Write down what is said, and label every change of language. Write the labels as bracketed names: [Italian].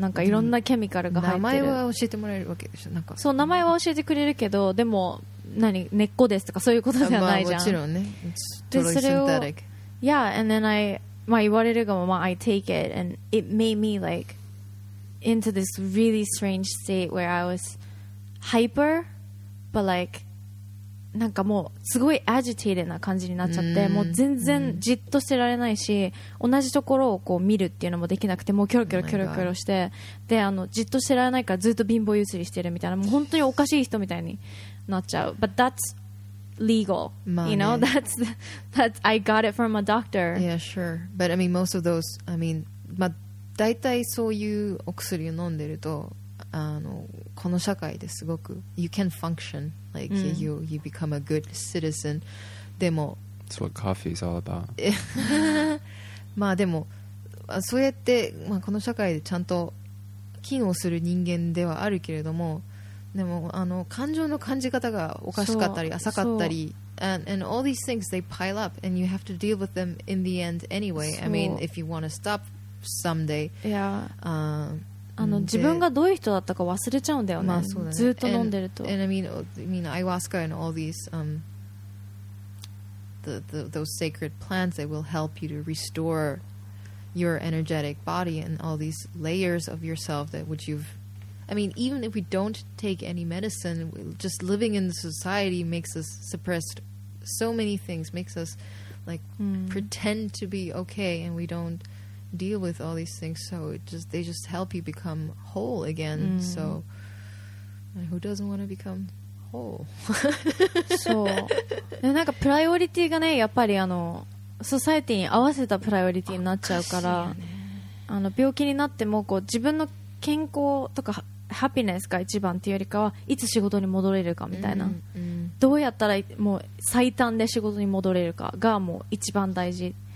[Japanese] なんかいろんなケミカルが入ってる。名前は教えてもらえるわけでしょ。なんかそう、名前は教えてくれるけど、でも何根っこですとかそういうことではないじゃん。まあ、もちろんね。でそれを、 [English] yeah, and then I、 [Japanese] まあ言われるがまま、 [English] I take it and it made me like into this really strange state where I was hyper, but like. [Japanese] なんかもうすごいアジテイテッドな感じになっちゃって、もう全然じっとしてられないし、同じところをこう見るっていうのもできなくて、もうキョロキョロキョロキョロして、で、あのじっとしてられないからずっと貧乏ゆすりしてるみたいな、もう本当におかしい人みたいになっちゃう。 [English] But that's legal, you know, that's I got it from a doctor. Yeah, sure. But I mean, most of those, I mean, [Japanese] まあ大体そういうお薬を飲んでると、あのこの社会ですごく [English] you can functionLike, you become a good citizen. [Japanese] でも、 [English] That's what coffee is all about. [Japanese] まあでも、そうやって、まあ、この社会でちゃんと機能する人間ではあるけれども、でも、あの、感情の感じ方がおかしかったり、浅かったり、 [English] and all these things, they pile up, and you have to deal with them in the end anyway. I mean, if you want to stop someday. Yeah. [Japanese] 自分がどういう人だったか忘れちゃうんだよね。まあ、そうだね。ずっと飲んでると。 [English] And I mean, ayahuasca and all these, those sacred plants that will help you to restore your energetic body and all these layers of yourself that which you've, I mean, even if we don't take any medicine, just living in the society makes us suppressed. So many things makes us like pretend to be okay, and we don't. Deal with all these things, so it just they just help you become whole again. So, who doesn't want to become whole? [Japanese] So, なんかプライオリティがね、やっぱりあのソサエティに合わせたプライオリティになっちゃうから、あの病気になってもこう自分の健康とかハピネスが一番っていうよりかは、いつ仕事に戻れるかみたいな、どうやったらもう最短で仕事に戻れるかがもう一番大事。